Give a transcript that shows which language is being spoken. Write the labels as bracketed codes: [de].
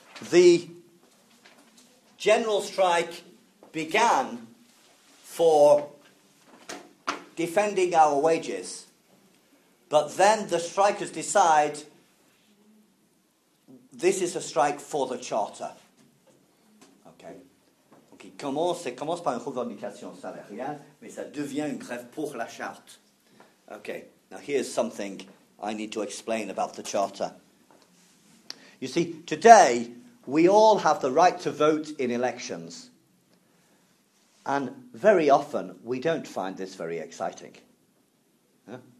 [en] The general strike began for defending our wages, but then the strikers decide this is a strike for the charter. Okay. [fr] Donc il commence, ça commence par une revendication salariale, mais ça devient une grève pour la charte. [en] Okay. Now here's something I need to explain about the charter. You see, today we all have the right to vote in elections. And very often, we don't find this very exciting. Yeah?